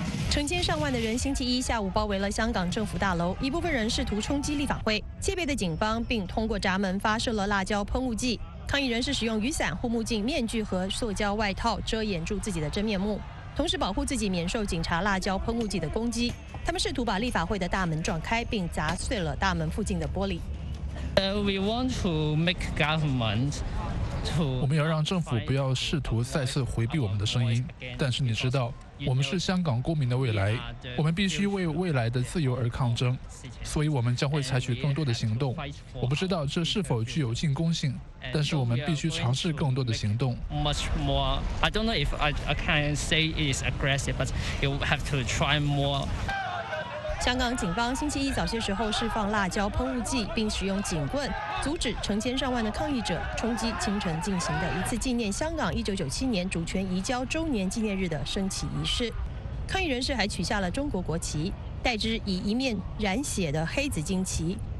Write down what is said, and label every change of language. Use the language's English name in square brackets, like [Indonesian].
[Chinese] 成千上万的人星期一下午包围了香港政府大楼，一部分人试图冲击立法会，戒备的警方并通过闸门发射了辣椒喷雾剂。抗议人士使用雨伞、护目镜、面具和塑胶外套遮掩住自己的真面目，同时保护自己免受警察辣椒喷雾剂的攻击。他们试图把立法会的大门撞开，并砸碎了大门附近的玻璃。 [English] We want to make government to [Chinese] 我们要让政府不要试图再次回避我们的声音，但是你知道，我们是香港公民的未来，我们必须为未来的自由而抗争，所以我们将会采取更多的行动。我不知道这是否具有进攻性，但是我们必须尝试更多的行动。 [English] Much more. I don't know if I can say it is aggressive, but you have to try more. [Chinese] 香港警方星期一早些时候释放辣椒喷雾剂，并使用警棍阻止成千上万的抗议者冲击清晨进行的一次纪念香港1997年主权移交周年纪念日的升旗仪式。抗议人士还取下了中国国旗，代之以一面染血的黑紫荆旗。